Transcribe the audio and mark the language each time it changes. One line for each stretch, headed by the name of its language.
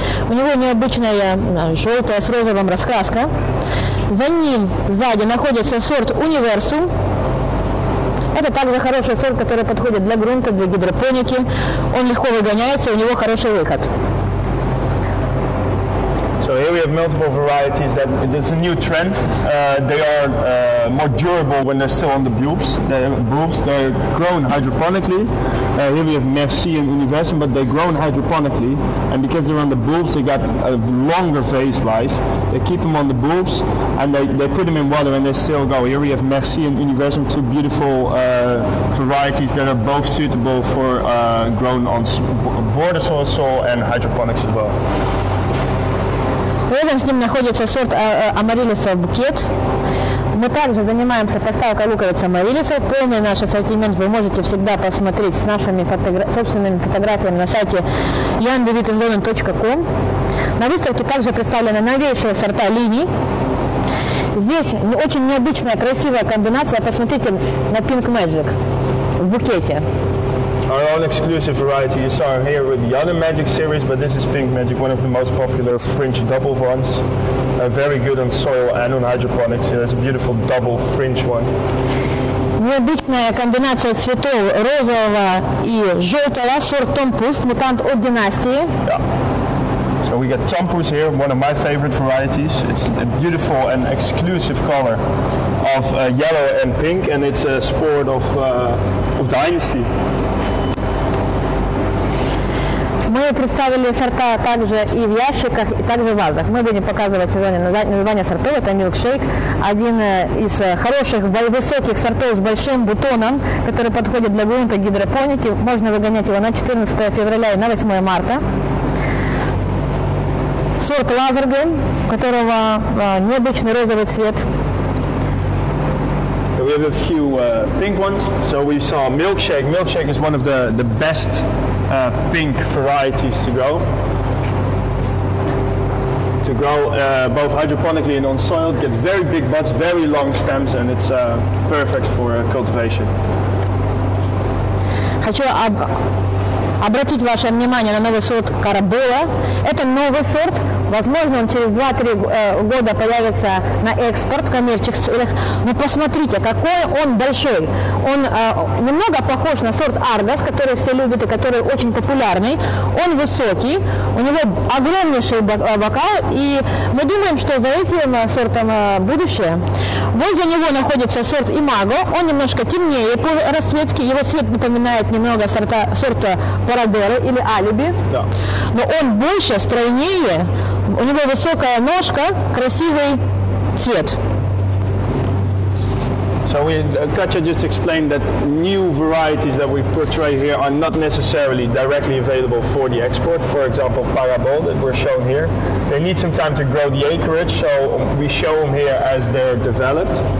Russian: У него необычная желтая с розовым раскраска. За ним сзади находится сорт Универсум. Это также хороший сорт, который подходит для грунта, для гидропоники. Он легко выгоняется, у него хороший выход.
English: So here we have multiple varieties that it's a new trend. They are more durable when they're still on the bulbs. The bulbs, they're grown hydroponically. Here we have Merci and Universum, but they're grown hydroponically. And because they're on the bulbs, they got a longer vase life. They keep them on the bulbs and they put them in water and they still go. Here we have Merci and Universum, two beautiful varieties that are both suitable for grown on border soil and hydroponics as well.
Russian: Рядом с ним находится сорт амариллиса букет. Мы также занимаемся поставкой луковиц амариллиса. Полный наш ассортимент вы можете всегда посмотреть с нашими собственными фотографиями на сайте jandewitandlonen.com. На выставке также представлены новейшие сорта линий. Здесь очень необычная красивая комбинация. Посмотрите на Pink Magic в букете.
English: А our own exclusive variety. You saw here with the other magic series, but this is pink magic, one of the most popular fringe double ones. Very good on soil and on hydroponics. Yeah, it's a beautiful double fringe one.
Russian: Необычная комбинация цветов розового и желтого, сорт Томпуст, мутант от династии.
English: Yeah. So we got Tompus here, one of my favorite varieties. It's a beautiful and exclusive color of yellow and pink, and it's a sport of dynasty.
Russian: Мы представили сорта также и в ящиках, и также в вазах. Мы будем показывать сегодня название сортов. Это Milkshake, один из хороших, высоких сортов с большим бутоном, который подходит для грунта гидропоники. Можно выгонять его на 14 февраля и на 8 марта. Сорт Лазерген, у которого необычный розовый цвет.
English: We have a few pink ones. So we saw Milkshake. Milkshake is one of the best pink varieties to grow. To grow both hydroponically and on soil. It gets very big buds, very long stems, and it's perfect for cultivation.
Russian: Хочу обратить ваше внимание на новый сорт Карабола. Это новый сорт. Возможно, он через 2-3 года появится на экспорт в коммерческих целях. Но посмотрите, какой он большой. Он немного похож на сорт Аргос, который все любят и который очень популярный. Он высокий, у него огромнейший бокал, и мы думаем, что за этим сортом будущее. Возле него находится сорт Имаго. Он немножко темнее по расцветке. Его цвет напоминает немного сорта Парадеро или Алиби. Да. Но он больше, стройнее. У него высокая ножка, красивый цвет.
English: So we, Katja just explained that new varieties that we portray here are not necessarily directly available for the export. For example, Parabol that we're shown here. They need some time to grow the acreage, so we show them here as they're developed.